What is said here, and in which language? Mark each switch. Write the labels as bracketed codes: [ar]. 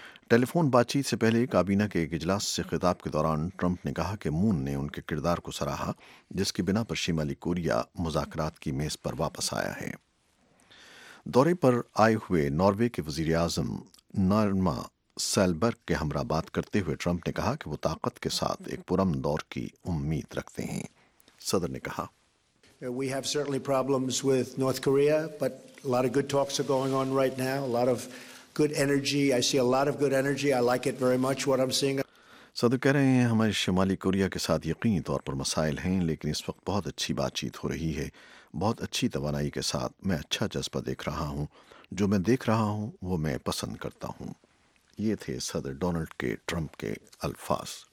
[ur] ٹیلی phone بات چیت سے پہلے کابینہ کے ایک اجلاس سے خطاب کے دوران ٹرمپ نے کہا کہ مون نے ان کے کردار کو سراہا جس کی بنا پر شمالی کوریا مذاکرات کی میز پر واپس آیا ہے۔ دورے پر آئے ہوئے ناروے کے وزیر اعظم نارما سیلبرگ کے ہمراہ بات کرتے ہوئے ٹرمپ نے کہا کہ وہ طاقت کے ساتھ ایک پرامن دور کی امید رکھتے ہیں۔ صدر نے کہا، [en] We have certainly problems with North Korea, but a lot of good talks are going on right now. A lot of good energy. I see a lot of good energy. I like it very much what I'm seeing. [ur] صدر کہہ رہے ہیں، ہمارے شمالی Korea کے ساتھ یقینی طور پر مسائل ہیں، لیکن اس وقت بہت اچھی بات چیت ہو رہی ہے، بہت اچھی توانائی کے ساتھ۔ میں اچھا جذبہ دیکھ رہا ہوں، جو میں دیکھ رہا ہوں وہ میں پسند کرتا ہوں۔ یہ تھے صدر ڈونلڈ کے ٹرمپ کے الفاظ۔